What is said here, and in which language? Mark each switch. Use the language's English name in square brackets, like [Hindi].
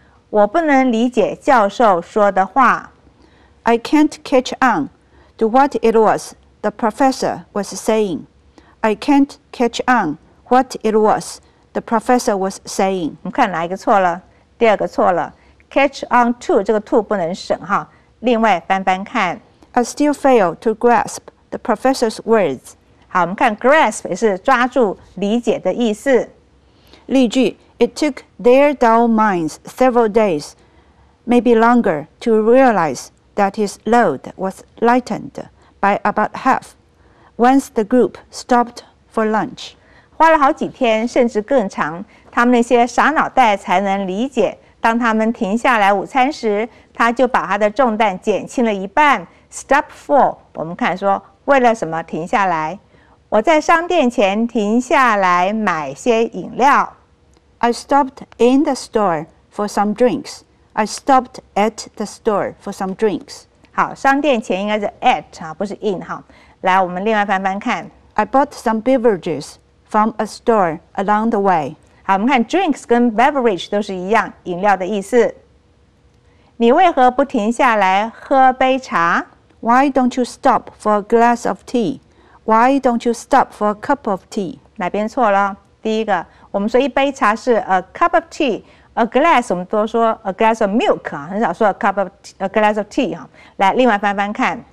[Chinese] 我不能理解教授说的话。 [English] I can't catch on to what it was. The professor was saying, I can't catch on what it was the professor was saying. [Chinese] 我们看哪一个错了？第二个错了。 [English] Catch on to [Chinese] 这个 to 不能省哈。另外翻翻看。 [English] I still fail to grasp the professor's words. [Chinese] 好，我们看 grasp 也是抓住理解的意思。例句 [English] It took their dull minds several days, maybe longer, to realize that his load was lightened. By about half, once the group stopped for lunch. [Chinese] 花了好几天，甚至更长，他们那些傻脑袋才能理解。当他们停下来午餐时，他就把他的重担减轻了一半。 [English] Stop for, [Chinese] 我们看说，为了什么停下来？我在商店前停下来买些饮料。 [English] I stopped in the store for some drinks. I stopped at the store for some drinks. [Chinese] 好，商店前应该是 at 不是 in 哈。来，我们另外翻翻看。 [English] I bought some beverages from a store along the way. [Chinese] 好，我们看 drinks 跟 beverage 都是一样，饮料的意思。你为何不停下来喝杯茶？ [English] Why don't you stop for a glass of tea? Why don't you stop for a cup of tea? [Chinese] 哪边错了？第一个，我们说一杯茶是 [English] a cup of tea, [Chinese] a glass 我们都说 [English] a glass of milk, [Chinese] 很少说 [English] a glass of tea. [Chinese] 来，另外翻翻看。